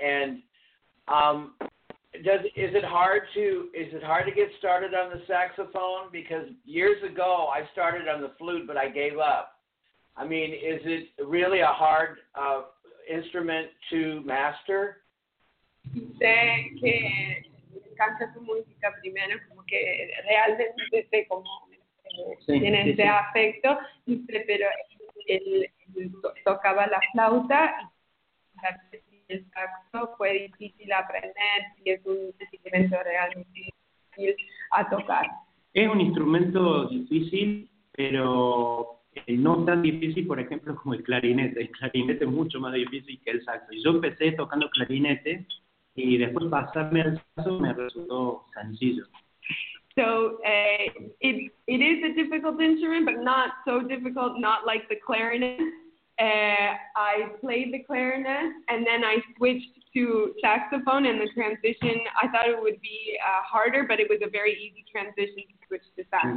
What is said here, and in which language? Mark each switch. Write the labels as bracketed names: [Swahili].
[English] And is it hard to get started on the saxophone? Because years ago I started on the flute, but I gave up. I mean, is it really a hard instrument to master? [Spanish] Sé que me encanta tu música primero, como que realmente sé cómo tiene ese afecto, pero él tocaba la flauta y el saxo fue difícil aprender y es un instrumento realmente difícil a tocar. Es un instrumento difícil, pero no tan difícil, por ejemplo, como el clarinete. El clarinete es mucho más difícil que el saxo. Yo empecé tocando clarinete y después pasarme al saxo me resultó sencillo. [English] So it is a difficult instrument, but not so difficult, not like the clarinet. I played the clarinet and then I switched to saxophone and the transition, I thought it would be harder, but it was a very easy transition to switch to sax.